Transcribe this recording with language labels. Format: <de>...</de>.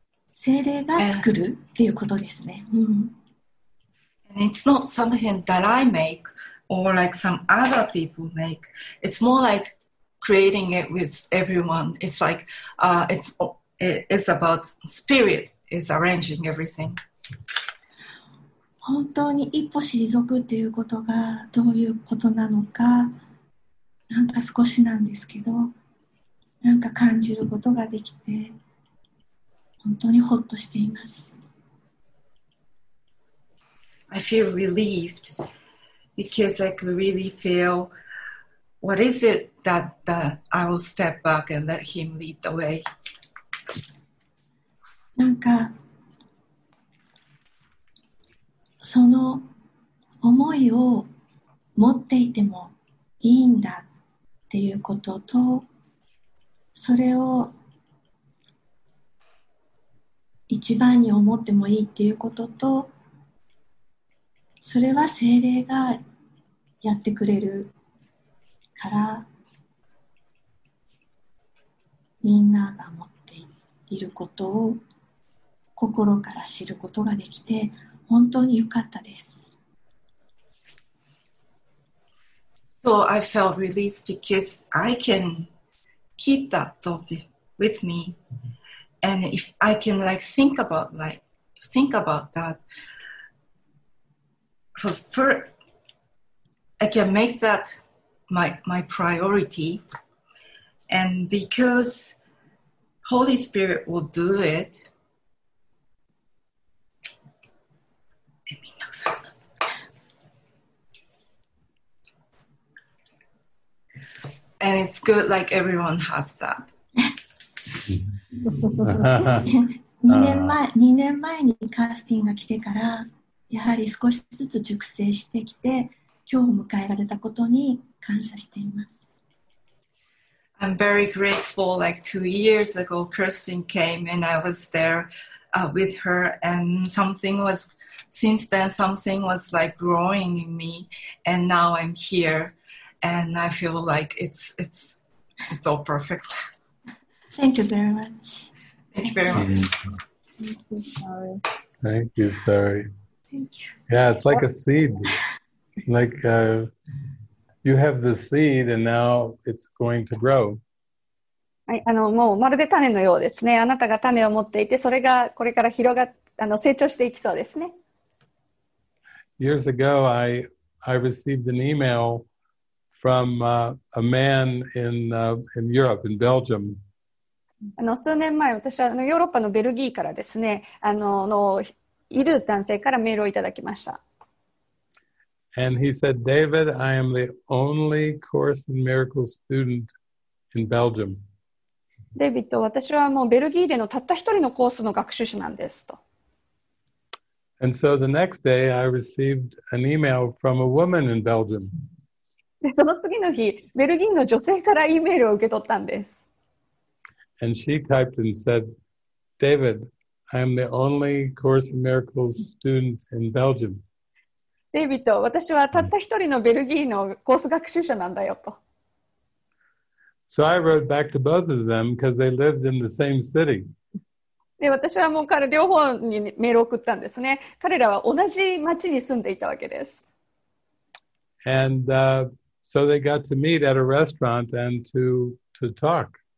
<ja>精霊が作るっていうことですね。</ja> <en>And it's not something that I make or like some other people make. It's more like creating it with everyone. It's like it's It's about spirit is arranging everything.</en> <ja>本当に一歩退くっていうことがどういうことなのか、なんか少しなんですけど、なんか感じることができて、本当にほっとしています。</ja> <en>I feel relieved because I could really feel what is it that, I will step back and let him lead the way.</en> <ja>なんかその思いを持っていてもいいんだっていうことと、それを一番に思ってもいいっていうことと、それは精霊がやってくれるから、みんなが持っていることを心から知ることができて本当に良かったです。</ja> <en>So I felt released because I can keep that thought with me, and if I can think about that, for I can make that my priority, and because Holy Spirit will do it. And it's good, like everyone has that.</en> <ja>2年前にカースティンが来てから、やはり少しずつ熟成してきて、今日を迎えられたことに感謝しています。</ja> <en>I'm very grateful. Like 2 years ago, Kirsten came and I was there, with her, and since then something was like growing in me, and now I'm here. And I feel like it's all perfect. Thank you very much. Thank you very much. Thank you, Sari. Thank you. Yeah, it's like a seed. Like, you have the seed and now it's going to grow.</en> <ja>はい、もうまるで種のようですね。あなたが種を持っていて、それがこれから広が、成長していきそうですね。</ja> <en>Years ago, I received an email. From a man in Europe, in Belgium.</en> <ja>数年前、私はヨーロッパのベルギーからですね、いる男性からメールをいただきました。</ja> <en>And he said, David, I am the only Course in Miracles student in Belgium.</en> <ja>デビッド、私はもうベルギーでのたった一人のコースの学習者なんですと。</ja> <en>And so the next day, I received an email from a woman in Belgium.</en> <ja>でその次の日、ベルギーの女性からイメールを受け取ったんです。</ja> <en>And she typed and said, David, I am the only Course in Miracles student in Belgium.</en> <ja>デイビッド、私はたった一人のベルギーのコース学習者なんだよと。</ja> <en>So I wrote back to both of them because they lived in the same city.</en> <ja>で私はもう彼両方にメールを送ったんですね。彼らは同じ町に住んでいたわけです。</ja> <en>And, So they got to meet at a restaurant and to talk.</en>